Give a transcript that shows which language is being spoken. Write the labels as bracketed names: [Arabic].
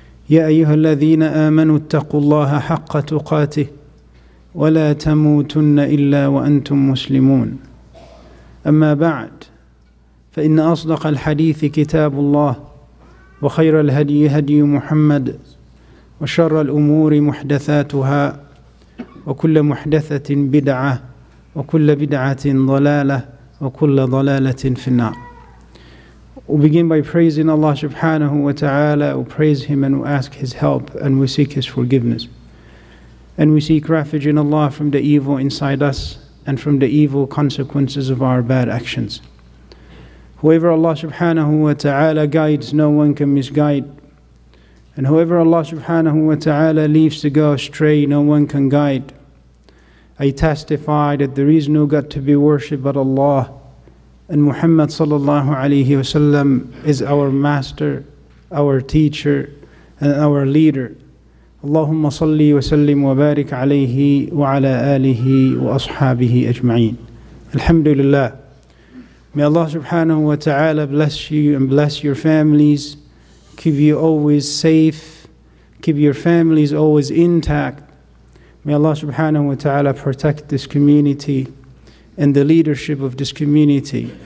[Arabic] يا أيها الذين آمنوا اتقوا الله حق تقاته ولا تموتن إلا وأنتم مسلمون أما بعد فإن أصدق الحديث كتاب الله وخير الهدي هدي محمد وشر الأمور محدثاتها وكل محدثة بدعة وكل بدعة ضلالة وكل ضلالة في النار. [English] We begin by praising Allah subhanahu wa ta'ala. We praise him and we ask his help and we seek his forgiveness. And we seek refuge in Allah from the evil inside us and from the evil consequences of our bad actions. Whoever Allah subhanahu wa ta'ala guides, no one can misguide. And whoever Allah subhanahu wa ta'ala leaves to go astray, no one can guide. I testify that there is no God to be worshipped but Allah. And Muhammad sallallahu alayhi wa sallam is our master, our teacher, and our leader. [Arabic] اللهم صل وسلم وبارك عليه وعلى آله وأصحابه أجمعين الحمد لله. [English] May Allah subhanahu wa ta'ala bless you and bless your families, keep you always safe, keep your families always intact. May Allah subhanahu wa ta'ala protect this community and the leadership of this community.